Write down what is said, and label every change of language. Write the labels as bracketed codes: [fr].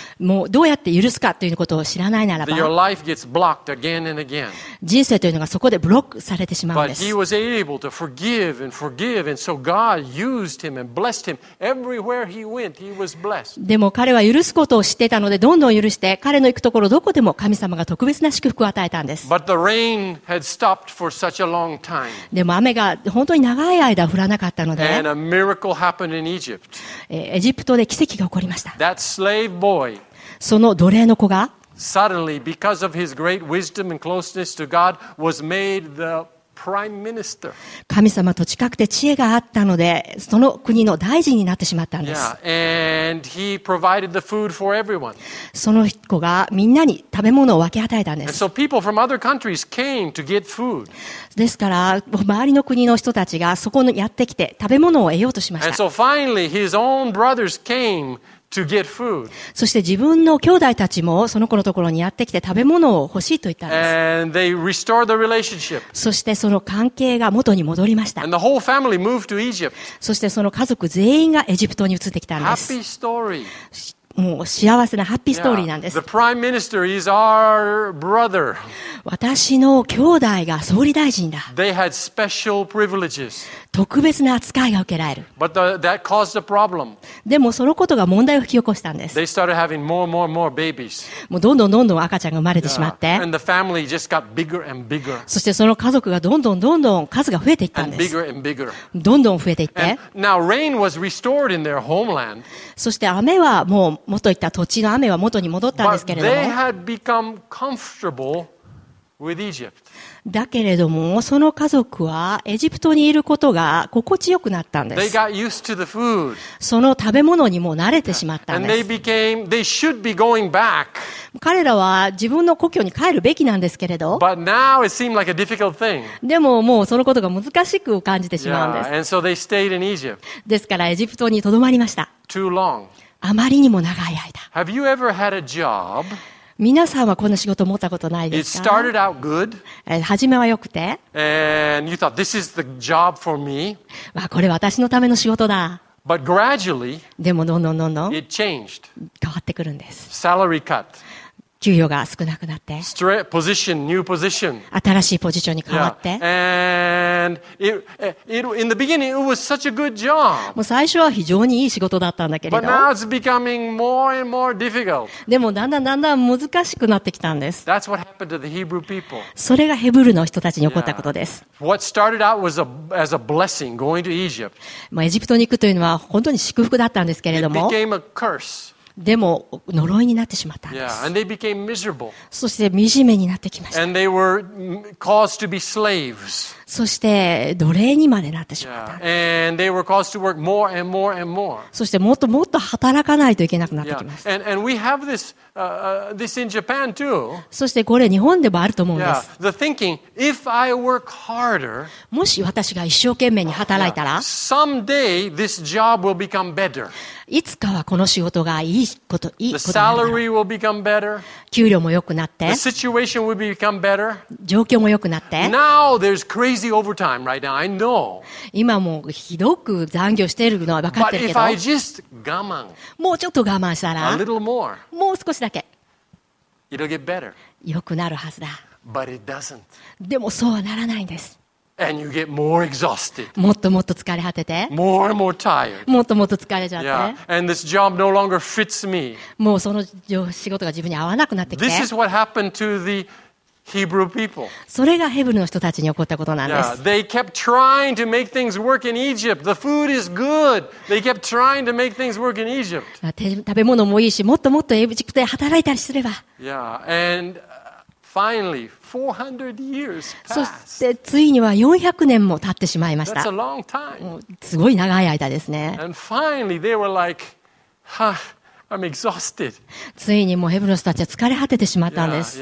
[ja] もうどうやって許すかということを知らないならば [en] your life gets blocked again and again. [ja] 人生というのがそこでブロックされてしまうんです。 [en] But he was able to forgive and forgive, and so God used him and blessed him. Everywhere he went, he was blessed. [ja] でも彼は許すことを知っていたのでどんどん許して彼の行くところどこでも神様が特別な祝福を与えたんです。 [en] But theRain had stopped for such a long time. [ja] でも雨が本当に長い間降らなかったので、 [en] And a miracle happened in Egypt. [ja] エジプトで奇跡が起こりました。 [en] That slave boy, [ja] その奴隷の子が、 [en] Suddenly, because of his great wisdom and closeness to God, was made the prime minister. [ja] 神様と近くて知恵があったので、その国の大臣になってしまったんです。 [en] Yeah, and he provided the food for everyone. [ja] その子がみんなに食べ物を分け与えたんです。 [en] And so people from other countries came to get food. [ja] ですから周りの国の人たちがそこにやってきて食べ物を得ようとしました。 [en] And so finally his own brothers came. To get food. [ja] そして自分の兄弟たちもその子のところにやってきて食べ物を欲しいと言ったんです。 [en] And they restored the relationship. [ja] そしてその関係が元に戻りました。 [en] And the whole family moved to Egypt. [ja] そしてその家族全員がエジプトに移ってきたんです。 [en] Happy story. [ja] もう幸せなハッピーストーリーなんです。 [en] Yeah. The prime minister is our brother. [ja] 私の兄弟が総理大臣だ。 [en] They had special privileges. [ja] 特別な扱いが受けられる。 [en] But that caused a problem. [ja] でもそのことが問題を引き起こしたんです。 [en] They started having more, more, more babies. [ja] もうどんどんどんどん赤ちゃんが生まれてしまって。 [en] Yeah. And the family just got bigger and bigger. [ja] そしてその家族がどんどんどんどん数が増えていったんです。 [en] And bigger and bigger. [ja] どんどん増えていって。 [en] And now rain was restored in their homeland. [ja] そして雨はもう元いった土地の雨は元に戻ったんですけれども。 [en] But they had become comfortable with Egypt. [ja] だけれどもその家族はエジプトにいることが心地よくなったんです。 [en] They got used to the food. [ja] その食べ物にも慣れてしまったんです。 [en] And they became, they should be going back. [ja] 彼らは自分の故郷に帰るべきなんですけれど。 [en] But now it seemed like a difficult thing. [ja] でももうそのことが難しく感じてしまうんです。 [en] Yeah, and so they stayed in Egypt. [ja] ですからエジプトに留まりました。 [en] Too long. [ja] あまりにも長い間。 [en] Have you ever had a job? [ja] 皆さんはこんな仕事を持ったことないですか? [en] It started out good. [ja] 初めは良くて。 [en] And you thought, this is the job for me. [ja] まあこれ私のための仕事だ。 [en] But gradually, [ja] でもどんどんどんどん [en] it changed. [ja] 変わってくるんです。 [en] Salary cut. [ja] 給与が少なくなって。 [en] Straight position, new position. [ja] 新しいポジションに変わって。 [en] Yeah. And in the beginning, it was such a good job. [ja] もう最初は非常にいい仕事だったんだけれど。 [en] But now it's becoming more and more difficult. [ja] でもだんだんだんだん難しくなってきたんです。 [en] That's what happened to the Hebrew people. [ja] それがヘブルの人たちに起こったことです。 [en] Yeah. What started out was as a blessing going to Egypt. [ja] まあエジプトに行くというのは本当に祝福だったんですけれども。 [en] It became a curse. [ja] でも呪いになってしまったんです。 [en] Yeah, and they became miserable. [ja] そして惨めになってきました。 [en] And they were caused to be slaves. [ja] そして奴隷にまでなってしまった。 [en] And they were caused to work more and more and more. [ja] そしてもっともっと働かないといけなくなってきます。 [en] And we have this in Japan too. [ja] そしてこれ日本でもあると思うんです。 [en] The thinking, if I work harder, [ja] もし私が一生懸命に働いたら、 [en] someday this job will become better. [ja] いつかはこの仕事がいいこと、いいことになる。 [en] The salary will become better. [ja] 給料も良くなって、 [en] the situation will become better. [ja] 状況も良くなって、 [en] now there's crazy. Right、now. I know. [ja] 今もうひどく残業しているのは分かってるけど。 [en] But if I just 我慢、 [ja] もうちょっと我慢したら、 [en] a little more、 [ja] もう少しだけ、 [en] it'll get better。 [ja] 良くなるはずだ。 [en] But it doesn't。 [ja] でもそうはならないんです。 [en] And you get more exhausted。 [ja] もっともっと疲れ果てて、 [en] more and more tired。 [ja] もっともっと疲れちゃって、 [en] yeah. And this job no longer fits me。 [ja] もうその仕事が自分に合わなくなってきて。 [en] This is what happened to the Hebrew people. [ja] それがヘブルの人たちに起こったことなんです。 [en] Yeah, they kept trying to make things work in Egypt. The food is good. They kept trying to make things work in Egypt. [ja] 食べ物もいいし、もっともっとエジプトで働いたりすれば。 [en] Yeah, and finally, 400 years passed. [ja] そしてついには400年も経ってしまいました。 [en] That's a long time. [ja] すごい長い間ですね。 [en] And finally, they were like, huh. I'm exhausted. [ja] ついにもうヘブロスたちは疲れ果ててしまったんです。